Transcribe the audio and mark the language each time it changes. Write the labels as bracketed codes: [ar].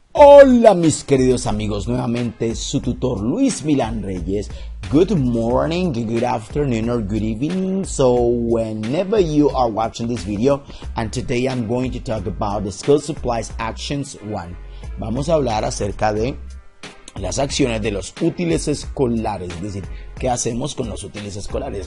[es] Hola mis queridos amigos, nuevamente su tutor Luis Milán Reyes. [en] Good morning, good afternoon or good evening, so whenever you are watching this video, and today I'm going to talk about the school supplies actions 1. [es] Vamos a hablar acerca de las acciones de los útiles escolares, es decir, ¿qué hacemos con los útiles escolares?